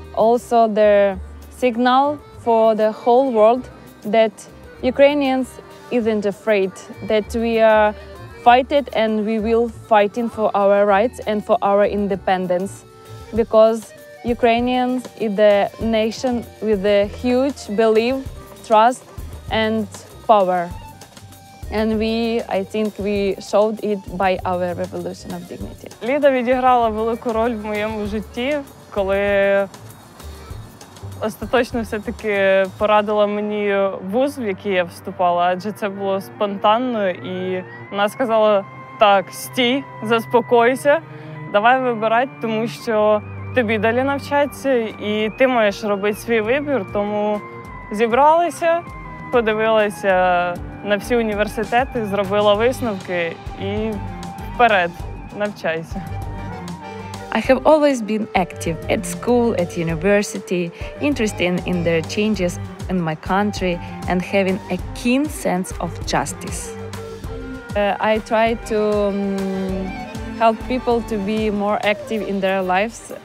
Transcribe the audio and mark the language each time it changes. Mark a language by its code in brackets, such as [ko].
[en] Also the signal for the whole world that Ukrainians isn't afraid, that we are fighting and we will fighting for our rights and for our independence, because Ukrainians is the nation with a huge belief, trust and power. And I think we showed it by our revolution of dignity. [uk] Lidiia відіграла велику роль в моєму житті, коли остаточно все-таки порадила мені вуз, в який я вступала, адже це було спонтанно, і вона сказала: "Так, стій, заспокойся. Давай вибирати, тому що тобі далі навчатися, і ти маєш робити свій вибір". Тому зібралися, подивилася на всі університети, зробила висновки і вперед, навчайся. [en] I have always been active at school, at university, interested in the changes in my country and having a keen sense of justice. I try to help people to be more active in their lives.